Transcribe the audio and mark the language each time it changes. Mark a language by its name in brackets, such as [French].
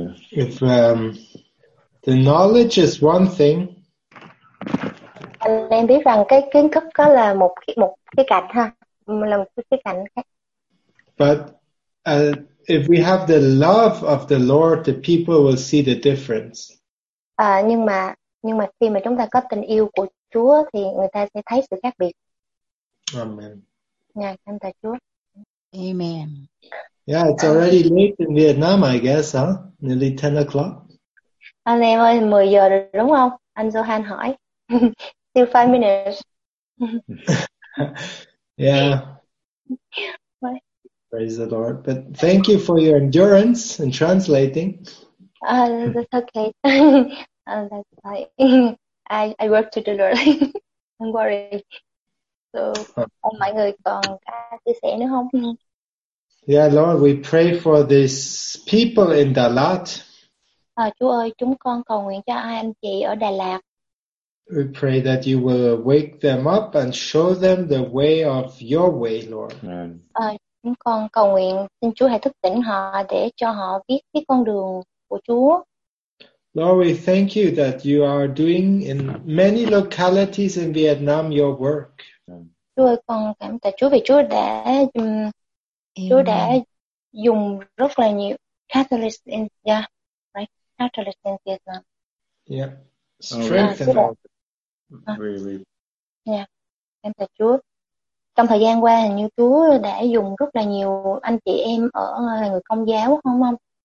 [English] If the knowledge is one thing. [Vietnamese] Anh em biết rằng cái kiến thức có là một cái cạnh ha, là một cái cạnh khác. [English] But if we have the love of the Lord, the people will see the difference. [Vietnamese] Nhưng mà khi mà chúng ta có tình yêu của Chúa thì người ta sẽ thấy sự khác biệt. Amen. Ngài cảm tạ Chúa. Amen. [English] Yeah, it's already late in Vietnam, I guess, huh? Nearly 10 o'clock. [Vietnamese] Anh em ơi, 10 giờ rồi đúng không? Anh Johan hỏi. [English] Still 5 minutes. Yeah. Praise the Lord. But thank you for your endurance in translating. That's okay. That's fine. I work to the Lord. Don't worry. [Vietnamese] So, mọi người còn chia sẻ nữa không? [English] Yeah, Lord, we pray for these people in Đà Lạt. [Vietnamese] Chúa ơi, chúng con cầu nguyện cho hai anh chị ở Đà Lạt. [English] We pray that you will wake them up and show them the way of your way, Lord. [Vietnamese] Chúng con cầu nguyện xin Chúa hãy thức tỉnh họ để cho họ biết cái con đường của Chúa. [English] Lord, we thank you that you are doing in many localities in Vietnam your work. [Vietnamese] Chúa ơi, con cảm tạ Chúa vì Chúa đã dùng rất là nhiều [English] Catalyst in, yeah, right? Catalyst in Vietnam. Yeah. Strengthen. Oh, yeah. [Vietnamese] Em thưa Chúa, trong thời gian qua hình như Chúa đã dùng rất là nhiều anh chị em ở người Công giáo, không không?